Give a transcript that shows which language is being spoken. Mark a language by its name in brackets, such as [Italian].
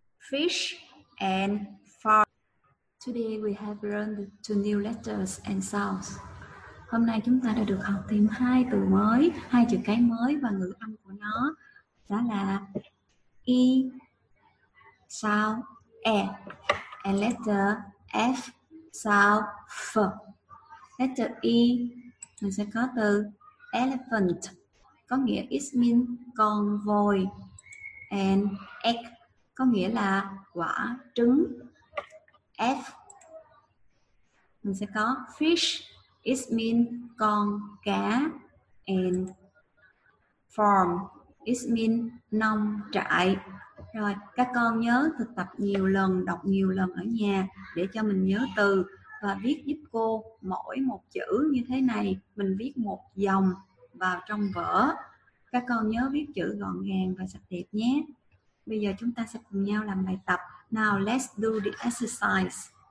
[English] Fish and today we have learned two new letters and sounds. [Vietnamese] Hôm nay chúng ta đã được học thêm hai từ mới, hai chữ cái mới và ngữ âm của nó. Đó là E sau E and letter F sau F. Letter E mình sẽ có từ elephant, có nghĩa [English] it means [Vietnamese] con voi, and egg có nghĩa là quả trứng. F mình sẽ có fish, [English] it means [Vietnamese] con cá, and farm, it means nông trại. Rồi, các con nhớ thực tập nhiều lần, đọc nhiều lần ở nhà để cho mình nhớ từ và viết giúp cô mỗi một chữ như thế này. Mình viết một dòng vào trong vở. Các con nhớ viết chữ gọn gàng và sạch đẹp nhé. Bây giờ chúng ta sẽ cùng nhau làm bài tập. [English] Now let's do the exercise.